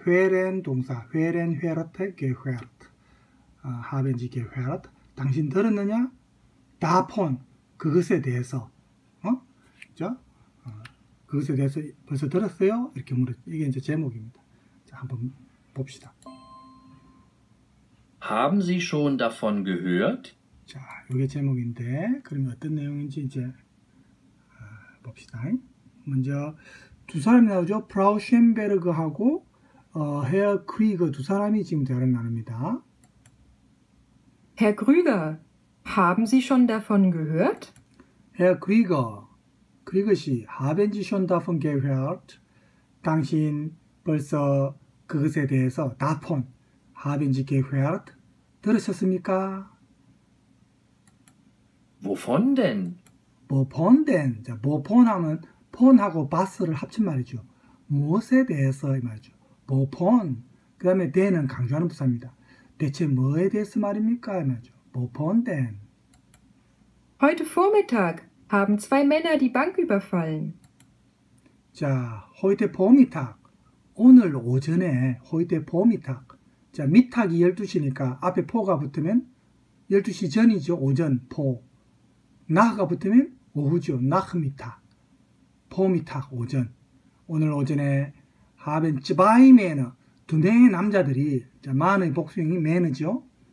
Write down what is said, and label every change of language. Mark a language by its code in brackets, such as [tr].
[ko] 회렌 동사. 회렌 회르테 게헤르트. 하벤지 게헤르트. 당신 들었느냐? 다폰. 그것에 대해서. 그것에 대해서 벌써 들었어요? 이렇게 물어요. 이게 이제 제목입니다. 자, 한번 봅시다. [de] Haben Sie schon davon gehört? [ko] 자, 이게 제목인데, 그러면 어떤 내용인지 이제 봅시다. 먼저 두 사람이 나오죠. 프라우셴베르그하고 헤어 크리거 두 사람이 지금 대화를 나눕니다. [de] Herr Krüger, haben Sie schon davon gehört? Herr Krüger, 크리거 씨, haben Sie schon davon gehört? [ko] 당신 벌써 그것에 대해서 [de] davon, haben Sie gehört? [ko] 들으셨습니까? [de] Wovon denn? Wovon denn? [ko] 자, wovon 하면 von하고 was를 합친 말이죠. 무엇에 대해서 이 말이죠. [de] Wovon. [ko] 그 다음에 den은 강조하는 부사입니다. 대체 뭐에 대해서 말입니까? 이 말이죠. [de] Wovon denn? Heute Vormittag haben zwei Männer die Bank überfallen. 자, heute Vormittag. [ko] 오늘 오전에 [de] heute Vormittag. [ko] 자, 미탁이 12시니까 앞에 포가 붙으면 12시 전이죠. 오전 포. 나흐가 붙으면 오후죠. 나흐 미탁. 포 미탁 오전. 오늘 오전에 하벤 즈바이 매너 두 명의 남자들이 자, 만의 복수형이 매너죠.